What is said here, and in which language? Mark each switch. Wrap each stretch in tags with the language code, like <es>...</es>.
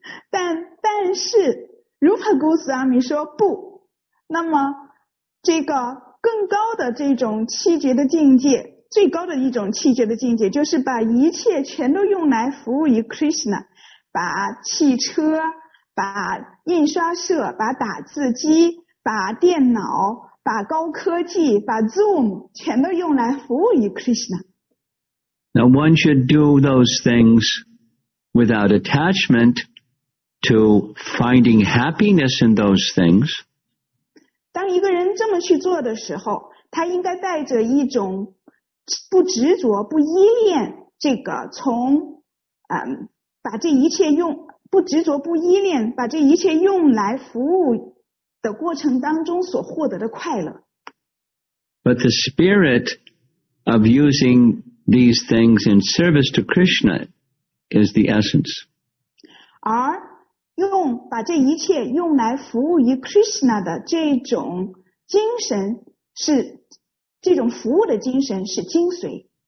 <zh>但是 Rupa Goswami 说不，那么这个更高的这种七觉的境界，最高的一种七觉的境界，就是把一切全都用来服务于 Krishna， 把汽车、把印刷社、把打字机、把电脑、把高科技、把 Zoom 全都用来服务于 Krishna。</zh> <en>Now one should do those things without attachment to finding happiness in those things。</en> <zh>当一个人这么去做的时候，他应该带着一种不执着、不依恋这个从把这一切用不执着、不依恋把这一切用来服务的过程当中所获得的快乐。</zh> <en>But the spirit of using these things in service to Krishna is the essence.</en> <zh>而用把这一切用来服务于 Krishna 的这种精神是这种服务的精神是精髓。</zh>